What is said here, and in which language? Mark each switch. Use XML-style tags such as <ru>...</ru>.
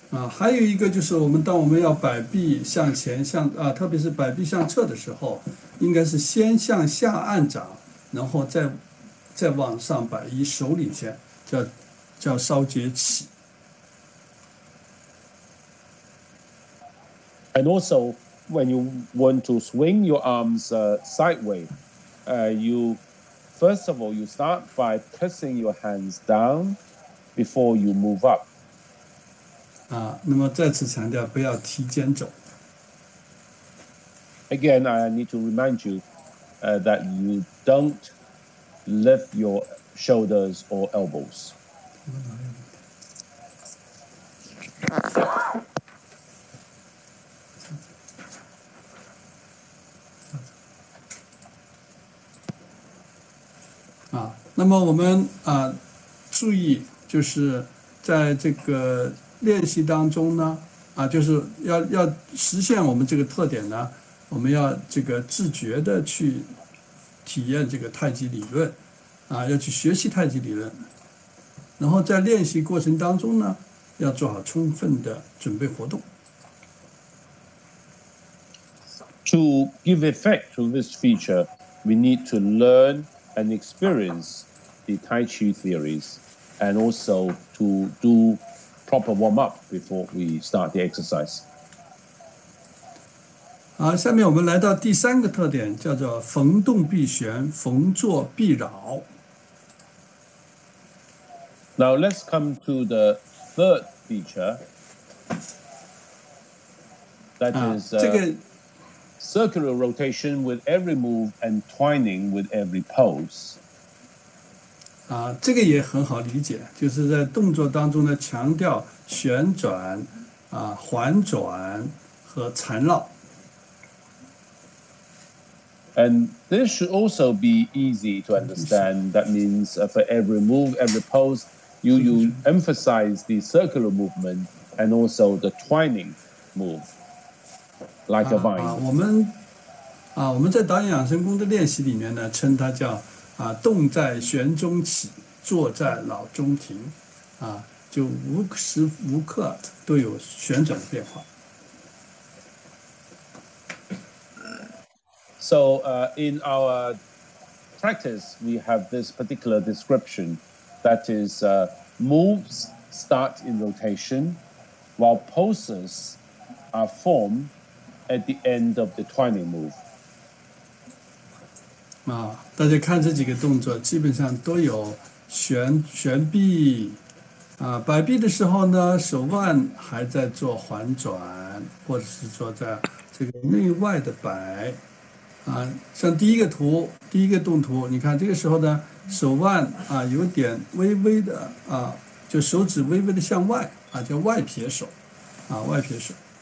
<zh>还有一个就是我们当我们要摆臂向前，特别是摆臂向侧的时候，应该是先向下按掌，然后再往上摆，以手领先，叫烧结起。</zh> <en>And also, when you want to swing your arms sideways, you first of all, you start by pressing your hands down before you move up.</en> <zh>啊，那么再次强调，不要提肩肘。</zh> <en>Again, I need to remind you, that you don't lift your shoulders or elbows.</en> <zh>啊，那么我们啊，注意就是在这个练习当中呢，啊，就是要实现我们这个特点呢，我们要这个自觉的去体验这个太极理论，啊，要去学习太极理论，然后在练习过程当中呢，要做好充分的准备活动。</zh> <en>To give effect to this feature, we need to learn and experience the Tai Chi theories, and also to do proper warm-up before we start the exercise.</en> <zh>好，下面我们来到第三个特点，叫做逢动必旋，逢坐必扰。</zh> <en>Now let's come to the third feature. That is circular rotation with every move and twining with every pose.</en> <zh>啊，这个也很好理解，就是在动作当中呢，强调旋转、啊环转和缠绕。</zh> <en>And this should also be easy to understand. That means for every move, every pose, you emphasize the circular movement and also the twining move. Like a vine.</en> <zh>我们在导引养生功的练习里面呢，称它叫动在旋中起，坐在扰中停，啊，就无时无刻都有旋转的变化。</zh> <en>So, in our practice, we have this particular description, that is, moves start in rotation, while poses are formed. At the end of the twining move.</en> <zh>啊，大家看这几个动作，基本上都有旋臂。啊，摆臂的时候呢，手腕还在做环转，或者是说在这个内外的摆。啊，像第一个图，第一个动图，你看这个时候呢，手腕啊有点微微的啊，就手指微微的向外啊，叫外撇手，啊外撇手。</zh>